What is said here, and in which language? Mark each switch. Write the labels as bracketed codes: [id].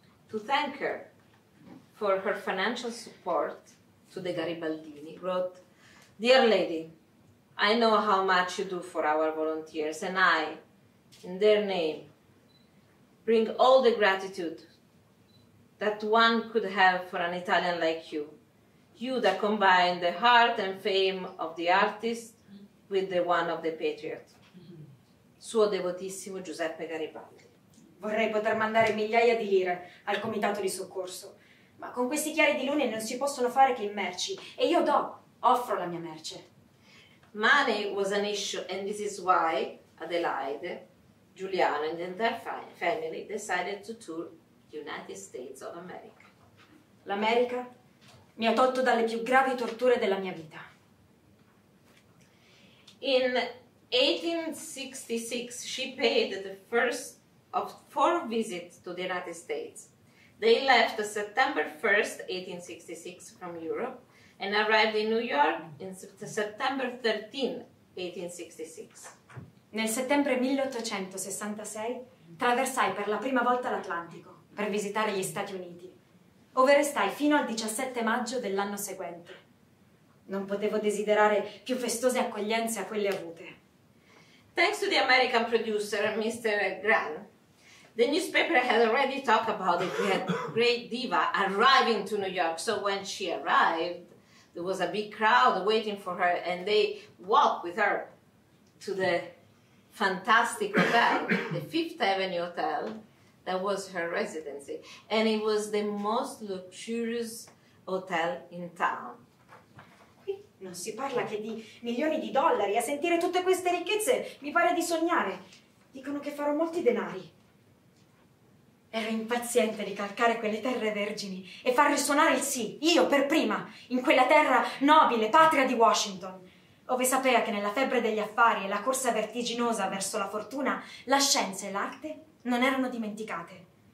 [en] to thank her for her financial support to the Garibaldini, wrote, "Dear lady, I know how much you do for our volunteers, and I, in their name, bring all the gratitude that one could have for an Italian like you. You that combine the heart and fame of the artist with the one of the patriot." [it] Suo devotissimo Giuseppe Garibaldi. Vorrei poter mandare migliaia di lire al comitato di soccorso, ma con questi chiari di luna non si possono fare che merci, e io offro la mia merce. [en] Money was an issue, and this is why Adelaide, Giuliano and the entire family decided to tour the United States of America. [it] L'America mi ha tolto dalle più gravi torture della mia vita. [en] In 1866, she paid the first of four visits to the United States. They left September 1st, 1866, from Europe, and arrived in New York in September 13, 1866. [it] Nel settembre 1866, traversai per la prima volta l'Atlantico per visitare gli Stati Uniti, ove restai fino al 17 maggio dell'anno seguente. Non potevo desiderare più festose accoglienze a quelle avute. [en] Thanks to the American producer, Mr. Grant, the newspaper had already talked about the great diva arriving to New York. So when she arrived, there was a big crowd waiting for her, and they walked with her to the fantastic hotel, the Fifth Avenue Hotel, that was her residency. And it was the most luxurious hotel in town. [it] Non si parla che di milioni di dollari. A sentire tutte queste ricchezze mi pare di sognare. Dicono che farò molti denari. Ero impaziente di calcare quelle terre vergini e far risuonare il sì, io per prima, in quella terra nobile, patria di Washington, ove sapea che nella febbre degli affari e la corsa vertiginosa verso la fortuna, la scienza e l'arte non erano dimenticate.